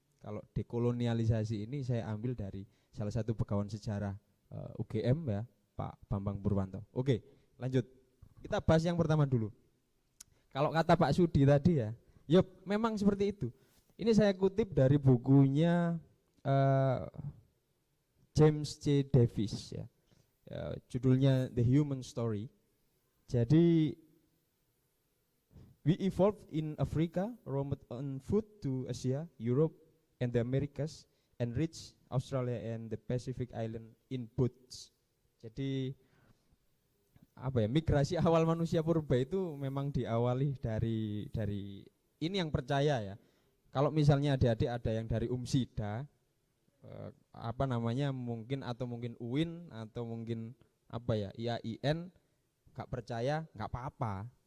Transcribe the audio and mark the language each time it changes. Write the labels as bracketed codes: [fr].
[id] Kalau dekolonialisasi ini saya ambil dari salah satu pegawai sejarah UGM ya, Pak Bambang Purwanto. Oke, lanjut. Kita bahas yang pertama dulu. Kalau kata Pak Sudi tadi ya, yup, memang seperti itu. Ini saya kutip dari bukunya James C. Davis ya. Judulnya The Human Story. [en] Jadi we evolved in Africa, roamed on foot to Asia, Europe and the Americas and reached Australia and the Pacific Island in boats. [id] Jadi apa ya, migrasi awal manusia purba itu memang diawali dari ini yang percaya ya. Kalau misalnya adik-adik ada yang dari Umsida, apa namanya, mungkin atau mungkin UIN atau mungkin apa ya, IAIN, gak percaya gak apa-apa.